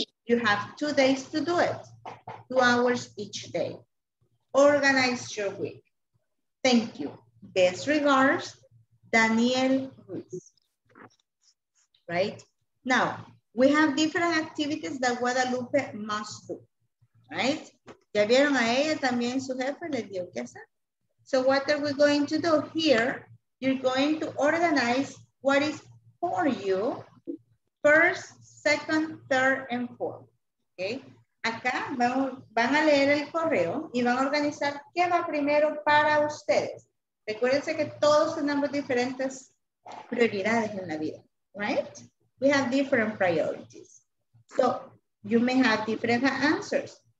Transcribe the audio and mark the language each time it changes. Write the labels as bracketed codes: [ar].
[en] You have 2 days to do it, 2 hours each day. Organize your week. Thank you. Best regards, Daniel Ruiz. Right? Now, we have different activities that Guadalupe must do. Right? [es] ¿Ya vieron a ella también su jefe le dio que hacer? [en] So what are we going to do here? You're going to organize what is for you, first, second, third, and fourth. Okay? [es] Acá van a leer el correo y van a organizar qué va primero para ustedes. Recuérdense que todos tenemos diferentes prioridades en la vida, right? [en] We have different priorities. So you may have different answers.